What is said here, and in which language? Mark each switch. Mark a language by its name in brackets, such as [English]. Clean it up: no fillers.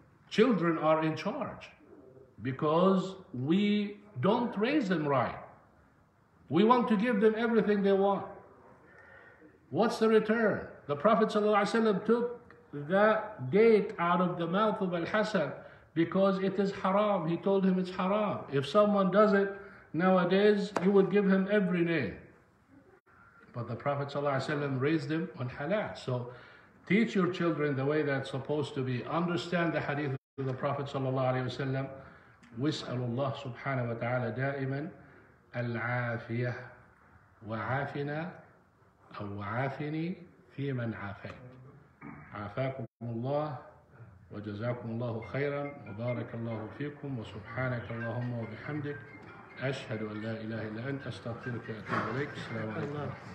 [English] children are in charge because we don't raise them right we want to give them everything they want what's the return the Prophet صلى الله عليه وسلم took the date out of the mouth of Al-Hasan because it is haram he told him it's haram if someone does it nowadays you would give him every name But the Prophet ﷺ raised him on halal. So teach your children the way that's supposed to be. Understand the hadith of the Prophet ﷺ. [Arabic] وَاسْأَلُوا اللَّهُ سُبْحَانَهُ وَتَعَالَى دَائِمًا الْعَافِيَةِ وَعَافِنَا أَوْ عَافِنِي فِي مَنْ عَافَيْتِ عَافَاكُمْ اللَّهُ وَجَزَاكُمْ اللَّهُ خَيْرًا وَبَارَكَ اللَّهُ فِيكُمْ وَسُبْحَانَكَ اللَّهُمَّ وَبِحَمْدِكَ أشهد أن لا إله إلا أنت أستغفرك وأتوب إليك السلام عليكم